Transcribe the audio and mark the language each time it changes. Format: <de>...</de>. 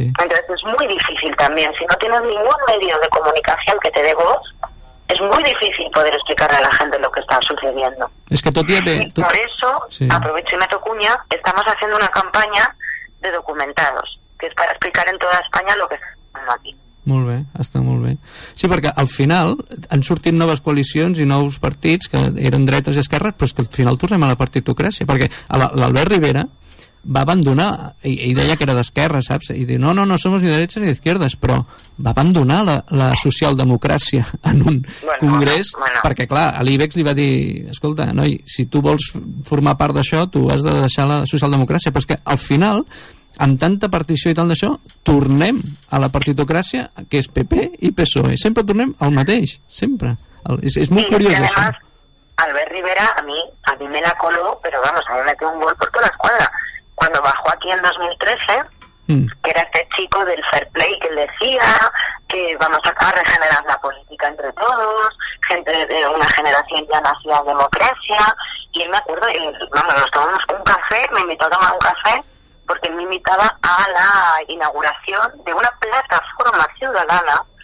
<es>Entonces es muy difícil también, si no tienes ningún medio de comunicación que te dé voz, es muy difícil poder explicarle a la gente lo que está sucediendo. Es que por eso, aprovecho y meto cuña, estamos haciendo una campaña de documentados, que es para explicar en toda España lo que está pasando aquí.</es> <ca>Molt bé, està molt bé. Sí, perquè al final han sortit noves coalicions i nous partits que eren dretes i esquerres, però és que al final tornem a la partitocràcia, perquè l'Albert Rivera va abandonar, i deia que era d'esquerra, saps? I diu,</ca> <es>no somos ni derechas ni izquierdas,</es> <ca>però va abandonar la socialdemocràcia en un congrés, perquè clar, a l'Ibex li va dir, escolta, noi, si tu vols formar part d'això, tu has de deixar la socialdemocràcia, però és que al final, amb tanta partició i tal d'això, tornem a la partitocràcia, que és PP i PSOE. Sempre tornem al mateix, sempre.</ca> <es>Es muy curioso. Además, Albert Rivera a mí me la coló, pero vamos, a mí me metió un gol por toda la escuadra. Cuando bajó aquí en 2013, que era este chico del fair play que decía que vamos a regenerar la política entre todos, gente de una generación ya nacida en democracia, y él me acuerdo, y, vamos, nos tomamos un café, me invitó a tomar un café, porque me invitaba a la inauguración de una plataforma ciudadana</es>